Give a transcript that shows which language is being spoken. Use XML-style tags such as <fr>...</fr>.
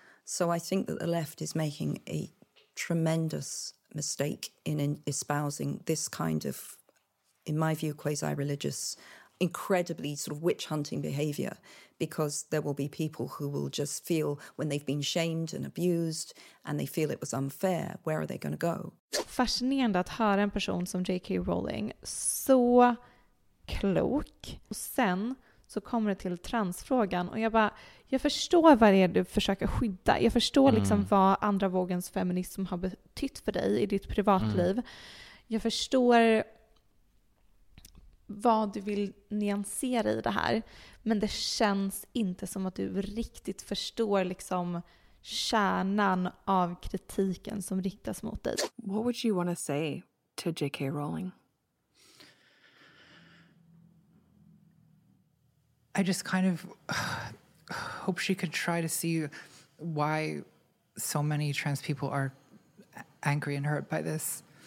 <en>So I think that the left is making a tremendous mistake in espousing this kind of, in my view, quasi-religious, incredibly sort of witch-hunting behavior, because there will be people who will just feel when they've been shamed and abused and they feel it was unfair, where are they going to go?</en> <sv>Fascinerande att höra en person som J.K. Rowling, så klok. Och sen så kommer det till transfrågan och jag bara, jag förstår vad det är du försöker skydda. Jag förstår liksom vad andra vågens feminism har betytt för dig i ditt privatliv. Jag förstår vad du vill nyansera i det här, men det känns inte som att du riktigt förstår liksom kärnan av kritiken som riktas mot dig.</sv> <en>What would you want to say to J.K. Rowling? I just kind of hope she could try to see why so many trans people are angry and hurt by this.</en>